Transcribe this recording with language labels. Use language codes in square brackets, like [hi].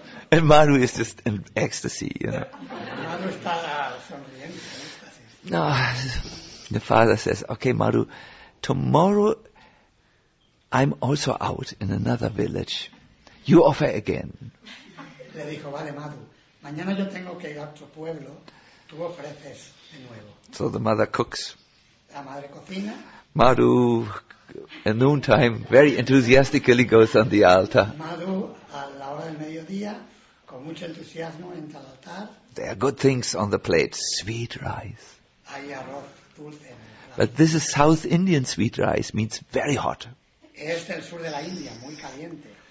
[en] And Madhu is just in ecstasy, you know. [es] Madhu está sonriendo. [en] No, the father says, okay, Madhu, tomorrow I'm also out in another village. You offer again. [es] Le dijo, vale, Madhu, mañana yo tengo que ir a otro pueblo, tú ofreces de nuevo. [en] So the mother cooks. [es] La madre cocina. [en] Madhu, at noontime, very enthusiastically goes on the altar. [es] Madhu, a la hora del mediodía, con mucho entusiasmo, entra al altar. [en] There are good things on the plate, sweet rice. [es] Hay arroz dulce. [en] But this is South Indian sweet rice, means very hot. [es] Es del sur de la India, muy caliente.